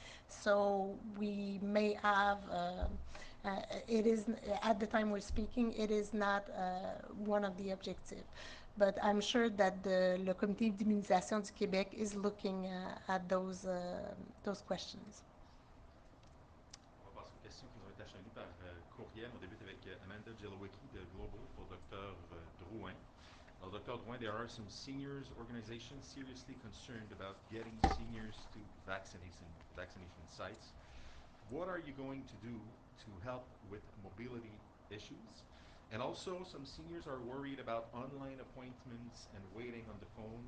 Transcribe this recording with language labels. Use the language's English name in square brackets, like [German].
[English] So we may have, it is at the time we're speaking, it is not one of the objectives. But I'm sure that the Comité d'immunisation du Québec is looking at those questions. [French] On va passer aux questions qui nous ont été acheminées par courriel. On débute avec Amanda Jelowicki de Global pour Dr. Drouin. Alors, Dr. [English] Drouin, there are some seniors organizations seriously concerned about getting seniors to vaccination sites. What are you going to do to help with mobility issues? And also, some seniors are worried about online appointments and waiting on the phone.